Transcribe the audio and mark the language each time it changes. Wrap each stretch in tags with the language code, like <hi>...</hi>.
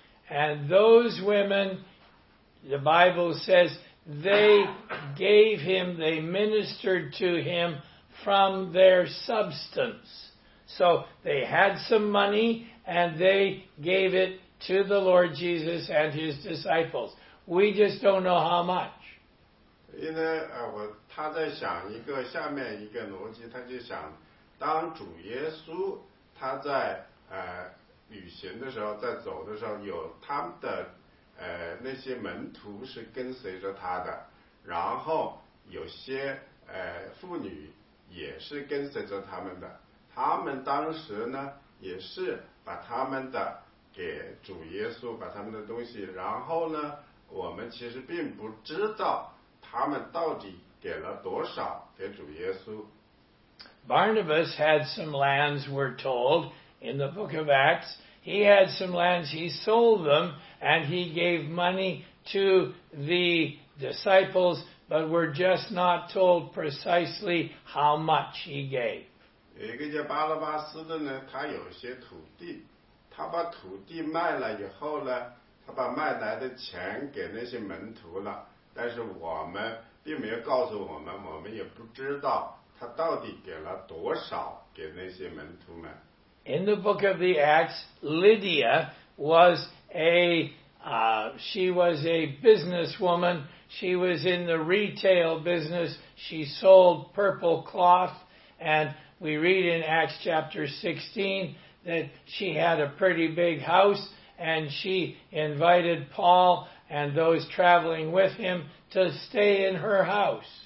<en>And those women, the Bible says, they gave him, they ministered to him from their substance. So they had some money and they gave it to the Lord Jesus and his disciples. We just don't know how much.</en> <zh>所以呢，他在想一个下面一个逻辑，他就想，当主耶稣他在旅行的时候，在走的时候，有他们的那些门徒是跟随着他的，然后有些妇女也是跟随着他们的，他们当时呢也是把他们的给主耶稣，把他们的东西，然后呢我们其实并不知道他们到底给了多少给主耶稣。</zh> <en>Barnabas had some lands, we're told in the book of Acts. He had some lands, he sold them and he gave money to the disciples, but we're just not told precisely how much he gave.</en> <zh>有一个叫巴拉巴斯的呢，他有些土地，他把土地卖了以后呢，他把卖来的钱给那些门徒了，但是我们并没有告诉我们，我们也不知道他到底给了多少给那些门徒们。</zh> <en>In the book of the Acts, Lydia was a businesswoman. She was in the retail business. She sold purple cloth. And we read in Acts chapter 16 that she had a pretty big house and she invited Paul and those traveling with him to stay in her house.</en>